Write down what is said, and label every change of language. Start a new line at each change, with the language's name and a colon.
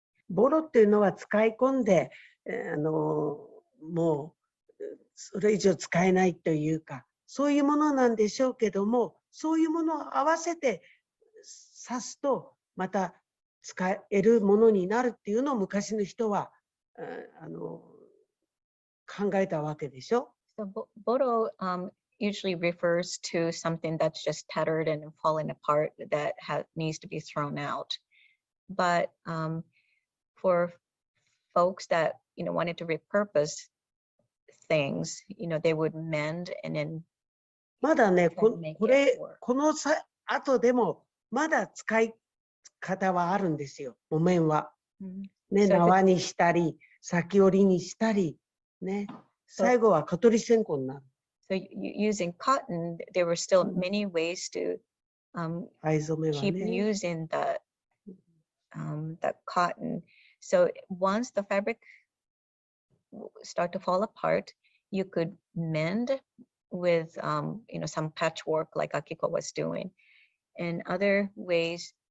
Japanese: Borrow っていうのは使い込んで、あのもうそれ以上使えないというか、そういうものなんでしょうけども、そういうものを合わせて刺すとまた使えるものになるっていうのを昔の人はあの考えたわけでしょ。
English: So, borrow, usually refers to something that's just tattered and falling apart that needs to be thrown out. But, for folks thatYou know, wanted to repurpose things, you know, they would mend and then.
Japanese: まだね、これ、この後でも、まだ使い方はあるんですよ、木綿は。ね、縄にしたり、先折りにしたり、ね、最後は蚊取り線香になる。
English: So, using cotton, there were still many ways to, keep using the cotton. So, once the fabric. Start to fall apart, you could mend with, you know, some patchwork like Akiko was doing, and other ways.